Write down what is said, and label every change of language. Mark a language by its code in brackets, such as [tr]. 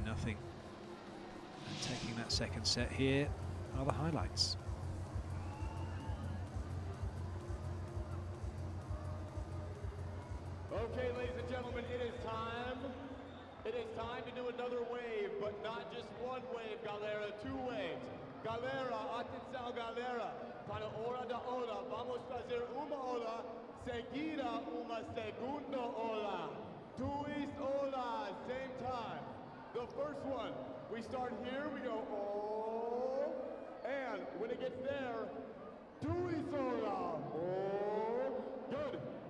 [en] And taking that second set here are the highlights. Okay, ladies and gentlemen, it is time. It is time to do another wave, but not just one wave, Galera, two waves. [pt] Galera, atenção galera, para hora da ola, vamos fazer uma ola, seguida uma segunda ola, duas olas, [en] same time. The first one, we start here, we go, oh, and when it gets there, [pt] duas olas, [en] oh, good.